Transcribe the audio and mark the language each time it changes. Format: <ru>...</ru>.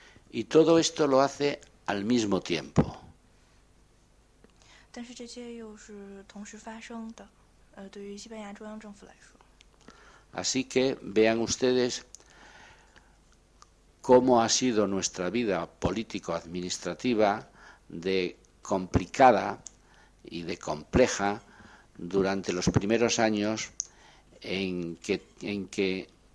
<es>Y todo esto lo hace al mismo tiempo.</es> <zh>但是这些又是同时发生的，对于西班牙中央政府来说。</zh> <es>Así que vean ustedes cómo ha sido nuestra vida político-administrativa de complicada y de compleja durante los primeros años en que</es>